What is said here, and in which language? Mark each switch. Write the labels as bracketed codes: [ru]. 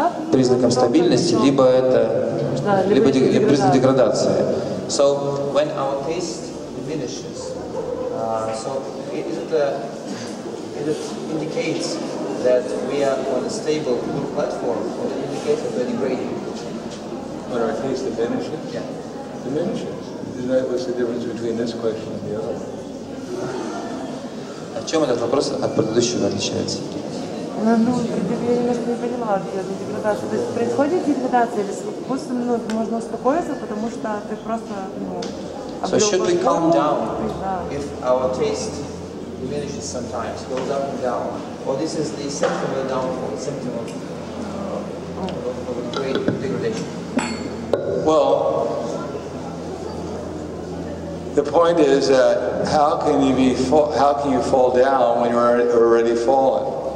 [ru] Признаком стабильности, либо это либо признак деградации. [en] So when our taste diminishes, so it indicates that we are on a stable good platform, or it indicates that we're degrading. When our taste diminishes? Yeah. Diminishes. Isn't that what's the difference between this question and the other? [ru] В чем этот вопрос от предыдущего отличается? немножко не поняла ответа, деградация. То есть происходит деградация, или вкус, ну, можно успокоиться, потому что ты просто, ну, [en] So should we calm down if our taste diminishes sometimes, goes up and down? Or this is the symptom of the downfall, the symptom of a great degradation? Well, the point is that how can you fall down when you're already fallen?